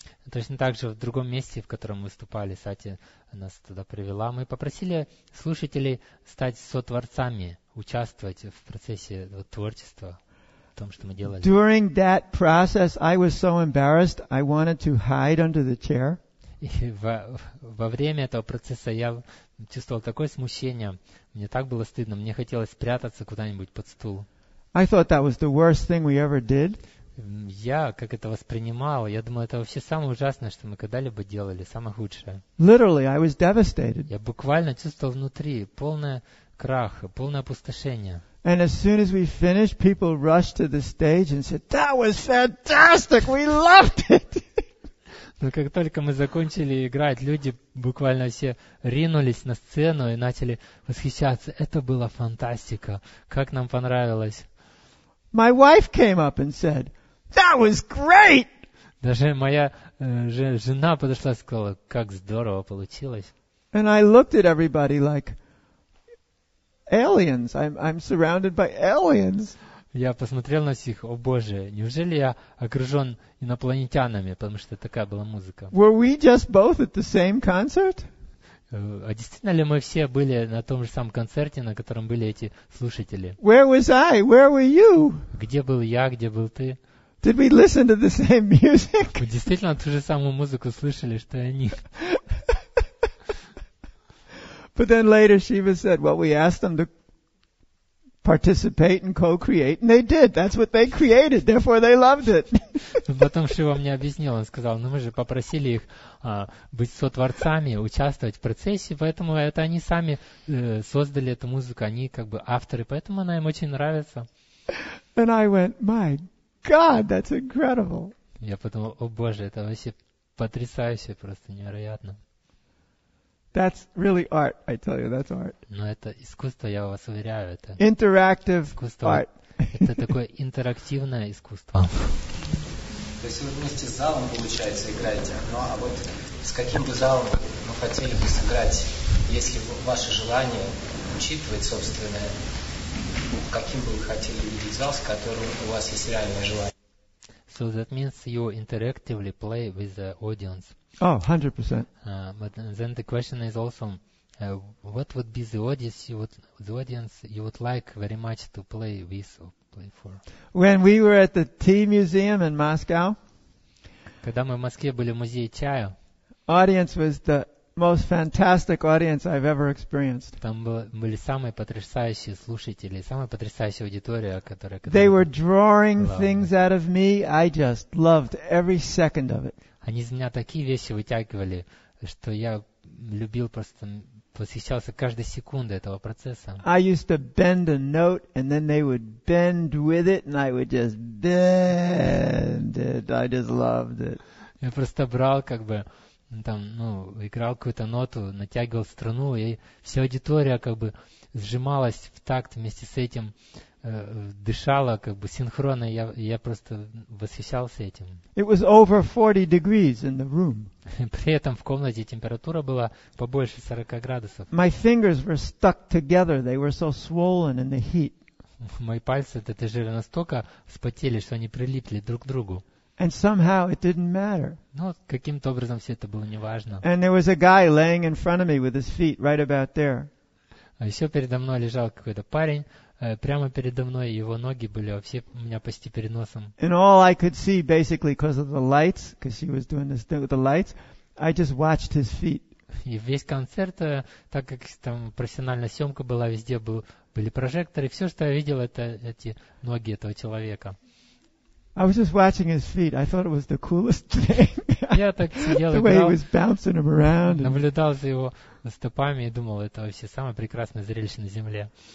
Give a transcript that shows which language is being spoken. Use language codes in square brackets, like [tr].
[ru] Точно так же в другом месте, в котором мы выступали, Сати нас туда привела, мы попросили слушателей стать сотворцами, участвовать в процессе творчества, в том, что мы делали. [en] During that process, I was so embarrassed, I wanted to hide under the chair. [ru] И во время этого процесса я чувствовал такое смущение, мне так было стыдно, мне хотелось спрятаться куда-нибудь под стул. [en] I thought that was the worst thing we ever did. [ru] Я как это воспринимал, я думаю, это вообще самое ужасное, что мы когда-либо делали, самое худшее. [en] Literally, I was devastated. [ru] Я буквально чувствовал внутри полный крах, полное опустошение. [en] And as soon as we finished, people rushed to the stage and said, "That was fantastic. We loved it." [ru] Но как только мы закончили играть, люди буквально все ринулись на сцену и начали восхищаться. Это была фантастика. Как нам понравилось. [en] My wife came up and said, "That was great." [ru] Даже моя жена подошла и сказала, как здорово получилось. [en] And I looked at everybody like aliens. I'm surrounded by aliens. [ru] Я посмотрел на всех, о Боже, неужели я окружен инопланетянами, потому что такая была музыка. [en] Were we just both at the same concert? [ru] А действительно ли мы все были на том же самом концерте, на котором были эти слушатели? [en] Where was I? Where were you? [ru] Где был я, где был ты? [en] Did we listen to the same music? [ru] Мы действительно ту же самую музыку слышали, что и они. [en] But then later Shiva said, well, we asked them to participate and co-create, and they did. That's what they created. Therefore, they loved it. [ru] Потом Шива мне объяснил, он сказал, ну мы же попросили их быть сотворцами, участвовать в процессе, поэтому это они сами создали эту музыку, они как бы авторы, поэтому она им очень нравится. [en] And I went, my God, that's incredible. [ru] Я подумал, о Боже, это вообще потрясающе, просто невероятно. [en] That's really art, I tell you, that's art. [ru] Но это искусство, я вас уверяю, это. [en] Interactive art. [ru] Это такое интерактивное искусство. То есть вы вместе с залом, получается, играете. Ну а вот с каким бы залом вы хотели бы сыграть, если бы ваше желание учитывать собственное, каким бы вы хотели видеть зал, с которым у вас есть реальное желание? [en] So that means you interactively play with the audience. Oh, 100%. But then the question is also, what would be the audience you would like very much to play with or play for? When we were at the tea museum in Moscow, [ru] когда мы в Москве были в музее чая, [en] audience was the most fantastic audience I've ever experienced. [ru] Там были самые потрясающие слушатели, самая потрясающая аудитория, которая. [en] They were drawing things out of me. I just loved every second of it. [ru] Они из меня такие вещи вытягивали, что я любил просто восхищался каждой секундой этого процесса. [en] I used to bend a note, and then they would bend with it, and I would just bend it. I just loved it. [ru] Я просто брал как бы там, ну, играл какую-то ноту, натягивал струну, и вся аудитория как бы сжималась в такт вместе с этим, дышала как бы синхронно, я просто восхищался этим. [en] It was over 40 degrees in the room. [ru] При этом в комнате температура была побольше 40 градусов. [en] My fingers were stuck together, they were so swollen in the heat. [ru] Мои пальцы от этой жиры настолько вспотели, что они прилипли друг к другу. [en] And somehow it didn't matter. [ru] Но каким-то образом все это было неважно. [en] And there was a guy laying in front of me with his feet right about there. [ru] А еще передо мной лежал какой-то парень, прямо передо мной, его ноги были вообще у меня почти перед носом. [en] And all I could see basically because of the lights, because she was doing this thing with the lights, I just watched his feet. [ru] И весь концерт, так как там профессиональная съемка была, везде были прожекторы, все, что я видел, это эти ноги этого человека. [en] I was just watching his feet. I thought it was the coolest thing. [ru] Я так сидел, [en] the way he was bouncing him around. [ru] Наблюдал за его стопами и думал, это вообще самое прекрасное зрелище на земле.